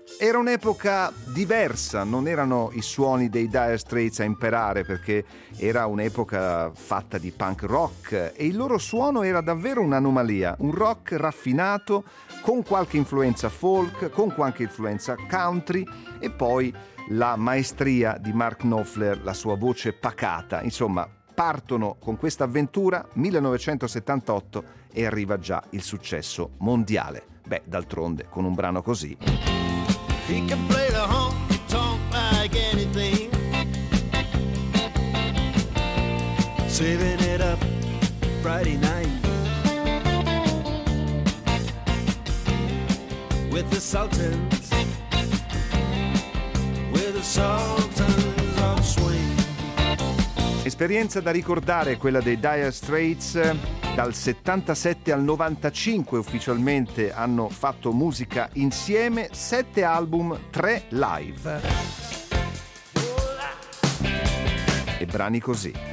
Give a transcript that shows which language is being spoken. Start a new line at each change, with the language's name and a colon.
Italian: Era un'epoca diversa, non erano i suoni dei Dire Straits a imperare, perché era un'epoca fatta di punk rock e il loro suono era davvero un'anomalia, un rock raffinato con qualche influenza folk, con qualche influenza country e poi la maestria di Mark Knopfler, la sua voce pacata. Insomma, partono con questa avventura 1978 e arriva già il successo mondiale. Beh, d'altronde, con un brano così.
English: He can play the honky tonk like anything, saving it up Friday night with the Sultans, with the Sultans of Swing.
Italian: Esperienza da ricordare quella dei Dire Straits. Dal 77 al 95 ufficialmente hanno fatto musica insieme, 7 album, 3 live. E brani così.